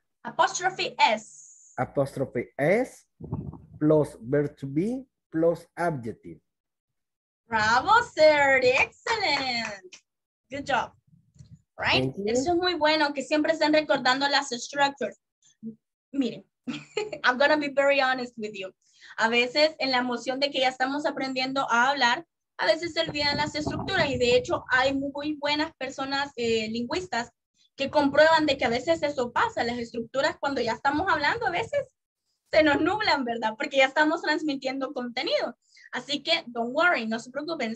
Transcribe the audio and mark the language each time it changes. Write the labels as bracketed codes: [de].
[es] Apóstrofe s. Apóstrofe s plus verb to be plus adjective. [en] Bravo, sir. Excellent. Good job. Right? [es] Eso es muy bueno que siempre estén recordando las structures. [en] Miren, I'm going to be very honest with you. [es] A veces, en la emoción de que ya estamos aprendiendo a hablar, a veces se olvidan las estructuras. Y de hecho, hay muy buenas personas lingüistas que comprueban de que a veces eso pasa. Las estructuras, cuando ya estamos hablando, a veces se nos nublan, ¿verdad? Porque ya estamos transmitiendo contenido. Así que, [en] don't worry, [es] no se preocupen.